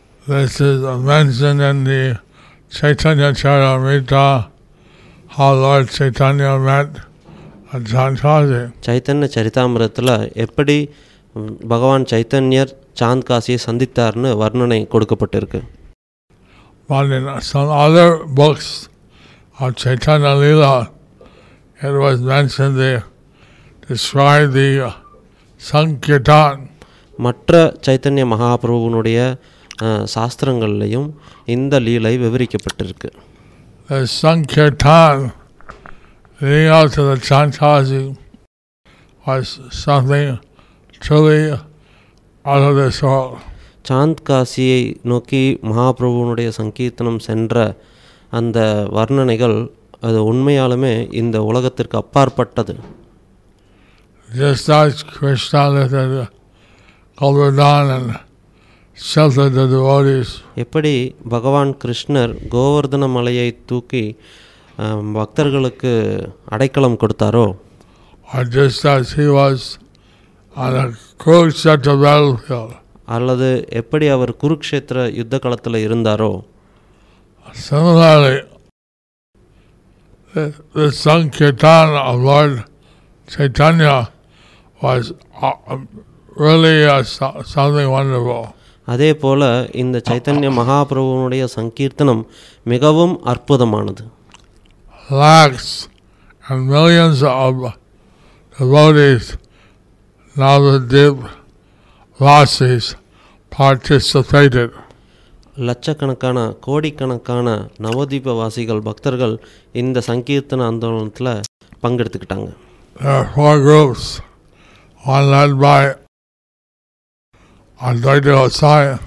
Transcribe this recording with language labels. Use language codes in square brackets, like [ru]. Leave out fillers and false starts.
[en] This is mentioned in the Chaitanya Charitamrita, how Lord Chaitanya met a Chand Kasi. [ta] Chaitanya Charitamrita எப்படி பகவான் சைத்தன்யர் சாந்த் காசியை சந்தித்தார்னு வர்ணனை கொடுக்கப்பட்டிருக்கு. [en] But in some other books of Chaitanya Leela, it was mentioned they described the Sankirtan. [ta] மற்ற சைத்தன்ய மகாபிரபுனுடைய சாஸ்திரங்கள்லையும் இந்த லீலை விவரிக்கப்பட்டிருக்கு. [en] The Sankirtan leading up to the Chand Kasi was something truly out of this world. [ta] Chand காசியை நோக்கி மகாபிரபுனுடைய சங்கீர்த்தனம் சென்ற அந்த வர்ணனைகள் அது உண்மையாலுமே இந்த உலகத்திற்கு அப்பாற்பட்டது. [en] Just as Krishna lifted the cover down and sheltered the devotees. [ta] எப்படி பகவான் கிருஷ்ணர் கோவர்தன மலையை தூக்கி பக்தர்களுக்கு அடைக்கலம் கொடுத்தாரோ, [en] just as he was on a Kurukshetra battlefield. [ta] அல்லது எப்படி அவர் குருக்ஷேத்திர யுத்த களத்தில் இருந்தாரோ, [en] similarly the Sankirtan of Lord Chaitanya was really something wonderful. [ta] அதே போல இந்த சைத்தன்ய மகாபிரபுனுடைய சங்கீர்த்தனம் மிகவும் அற்புதமானது. [en] Lakhs and millions of devotees Navadvipvasis participated. [ta] லட்சக்கணக்கான கோடிக்கணக்கான நவதீபவாசிகள் பக்தர்கள் இந்த சங்கீர்த்தன ஆந்தோலனத்தில் பங்கெடுத்துக்கிட்டாங்க. [en] There are four groups, one led by Advait Gosai.